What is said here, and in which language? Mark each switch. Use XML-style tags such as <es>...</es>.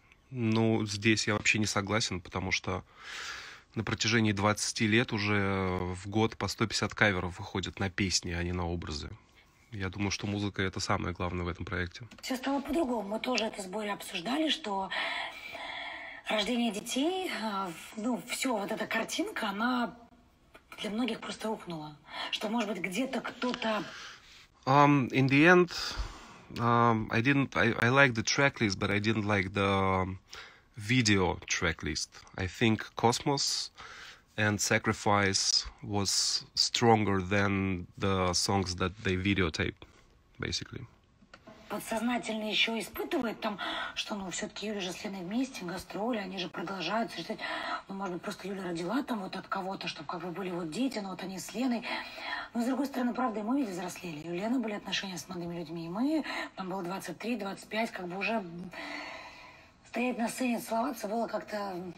<ru>Ну, здесь я вообще не согласен, потому что... на протяжении 20 лет уже в год по 150 каверов выходит на песни, а не на образы. Я думаю, что музыка — это самое главное в этом проекте. Все стало по-другому. Мы тоже это с Борей обсуждали, что рождение детей, ну, все, вот эта картинка, она для многих просто рухнула. Что, может быть, где-то кто-то...</ru> <en>In the end, I like the tracklist, but I didn't like the video tracklist. I think Cosmos and Sacrifice was stronger than the songs that they videotaped, basically.</en> <ru>Подсознательно еще испытывает там, что, ну, все-таки Юля же с Леной вместе, гастроли, они же продолжают ждать. Ну, может быть, просто Юля родила там вот от кого-то, чтобы как бы были вот дети, но вот они с Леной. Но, с другой стороны, правда, и мы ведь взрослели. И у Лены были отношения с молодыми людьми, и мы, там было 23-25, как бы уже стоять на сцене, целоваться было как-то...</ru>